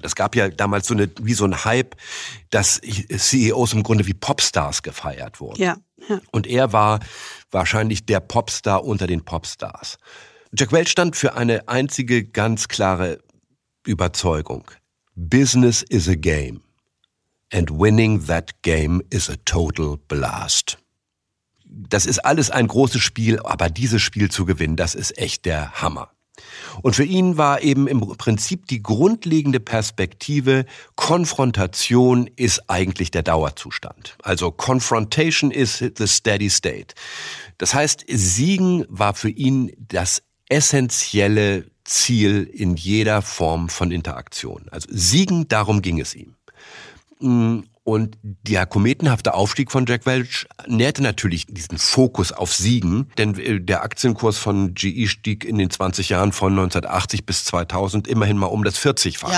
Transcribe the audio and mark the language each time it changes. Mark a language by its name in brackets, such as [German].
[German] Das gab ja damals so ein Hype, dass CEOs im Grunde wie Popstars gefeiert wurden. Ja. Und er war wahrscheinlich der Popstar unter den Popstars. Jack Welch stand für eine einzige ganz klare Überzeugung. [English] Business is a game. And winning that game is a total blast. [German] Das ist alles ein großes Spiel, aber dieses Spiel zu gewinnen, das ist echt der Hammer. Und für ihn war eben im Prinzip die grundlegende Perspektive, Konfrontation ist eigentlich der Dauerzustand. [English] Also Confrontation is the steady state. [German] Das heißt, Siegen war für ihn das essentielle Ziel in jeder Form von Interaktion. Also Siegen, darum ging es ihm. Und der kometenhafte Aufstieg von Jack Welch nährte natürlich diesen Fokus auf Siegen, denn der Aktienkurs von GE stieg in den 20 Jahren von 1980 bis 2000 immerhin mal um das 40-fache.